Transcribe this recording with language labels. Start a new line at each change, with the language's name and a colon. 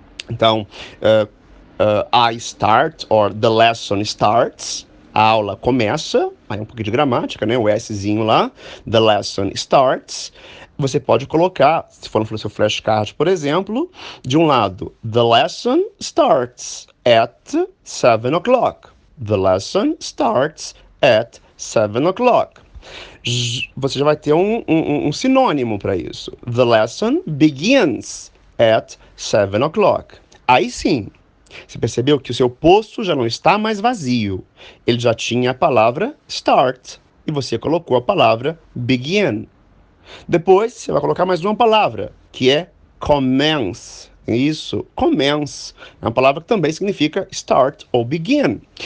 Portuguese: Então,
English: I start, or the lesson starts.
Portuguese: A aula começa. Aí um pouquinho de gramática, né? O Szinho lá.
English: The lesson starts.
Portuguese: Você pode colocar, se for no seu flashcard, por exemplo, de um lado,
English: the lesson starts at 7 o'clock. The lesson starts at 7 o'clock.
Portuguese: Você já vai ter um sinônimo para isso.
English: The lesson begins at 7 o'clock.
Portuguese: Aí sim, você percebeu que o seu posto já não está mais vazio. Ele já tinha a palavra start e você colocou a palavra begin. Depois, você vai colocar mais uma palavra, que é commence. Isso, commence. É uma palavra que também significa start ou begin.